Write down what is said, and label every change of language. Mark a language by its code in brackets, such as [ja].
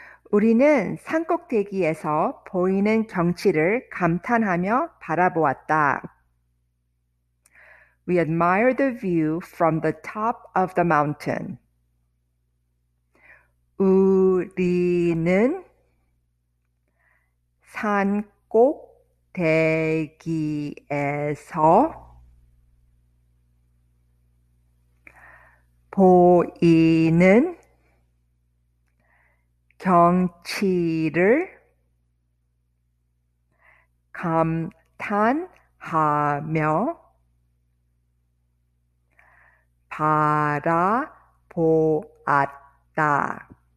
[ko] 우리는 산 꼭대기에서 보이는 경치를 감탄하며 바라보았다. [en] We admire the view from the top of the mountain. [ko] 우리는 산 꼭대기에서 보이는 경치를 감탄하며 바라보았다.